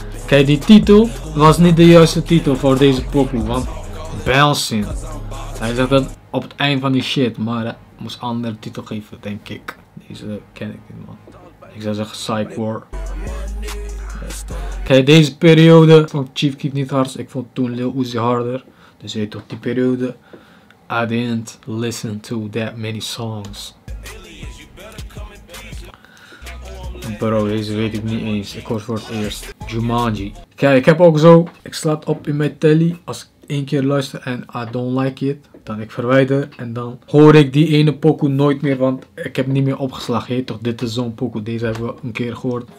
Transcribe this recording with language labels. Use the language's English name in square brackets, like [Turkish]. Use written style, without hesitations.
[Dutch] Kijk, die titel was niet de juiste titel voor deze pokoe, want bouncing. Hij zegt dat op het eind van die shit, maar hij moest een andere titel geven, denk ik. Deze ken ik niet, man. Ik zou zeggen Psych War. Kijk, deze periode van Chief Keef niet hard. Ik vond toen Lil Uzi harder. Dus je tot die periode. [English] I didn't listen to that many songs. [Dutch] Bro, deze weet ik niet eens. Ik hoor voor het eerst. Jumanji. Kijk, ik heb ook zo. Ik slaat op in mijn telly. Als ik 1 keer luister en [English] I don't like it. [Dutch] Dan ik verwijder. En dan hoor ik die ene pokoe nooit meer. Want ik heb niet meer opgeslagen. Heet toch, dit is zo'n pokoe. Deze hebben we 1 keer gehoord.